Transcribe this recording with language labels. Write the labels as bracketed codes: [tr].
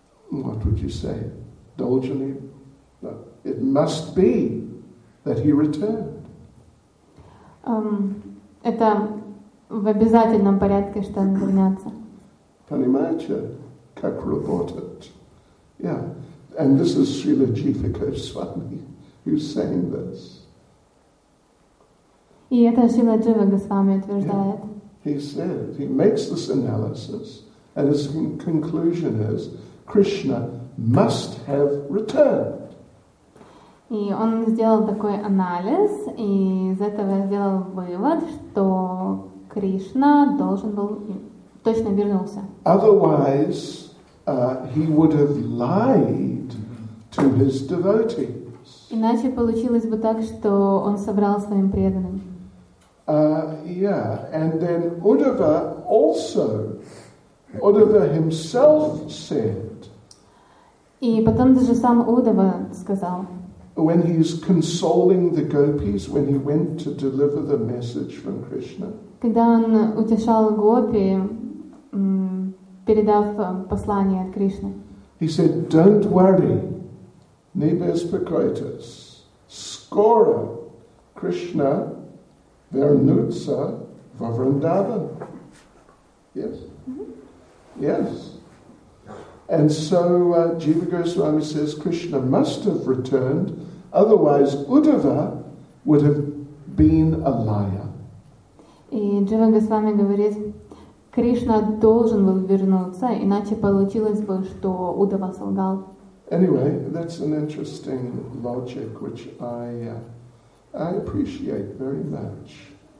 [en] what would you say, [ru] должны, да, [en] it must be that he returned. [ru] Это в обязательном порядке, что он вернется. Понимаете, как работает? [en] Yeah. And this is Srila Jiva Goswami who's saying this. [ru] И это Srila Jiva Goswami утверждает. [en] Yeah. He says, he makes this analysis, and his conclusion is, Krishna must have returned. [ru] И он сделал такой анализ, и из этого сделал вывод, что Кришна должен был точно вернулся. [en] Otherwise, he would have lied to his devotees. [ru] Иначе получилось бы так, что он соврал своим преданным. [en] Yeah, and then Uddhava also, Uddhava himself said. [ru] И потом даже сам Уддхава сказал. [en] When he is consoling the gopis, when he went to deliver the message from Krishna, [ru] когда он утешал гопи, передав послание от Кришны, [en] he said, "Don't worry, [ru] не беспокойтесь. Скоро Кришна вернется во Вриндаван." [en] Yes, mm-hmm. Yes. And so Jiva Goswami says Krishna must have returned. Otherwise, Uddhava would have been a liar. [ru] И Джива Госвами говорит, Кришна должен был вернуться, иначе получилось бы, что Уддхава солгал. [en] Anyway, that's an interesting logic which I I appreciate very much.